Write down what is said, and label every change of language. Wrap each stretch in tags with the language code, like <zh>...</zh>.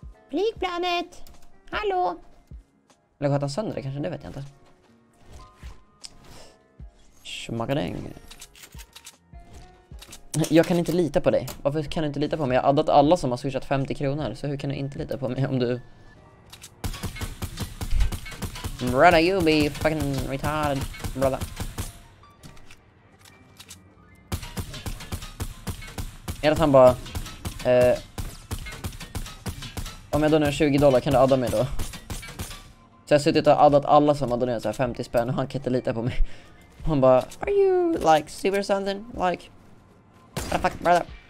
<sv>Flygplanet! Hallå! Eller sköt han sönder det kanske, det vet jag inte. Magadäng. Jag kan inte lita på dig. Varför kan du inte lita på mig? Jag har addat alla som har swishat 50 kronor. Så hur kan du inte lita på mig om du...</sv> <en>Brother, you be fucking retarded, brother.</en> <sv>Är att han bara... om jag donerar $20 kan du adda mig då? Så jag har suttit och addat alla som har donerat 50 spänn och han kan inte lita på mig. Han bara,</sv> <en>are you like super something? Like, what the fuck, brother?</en>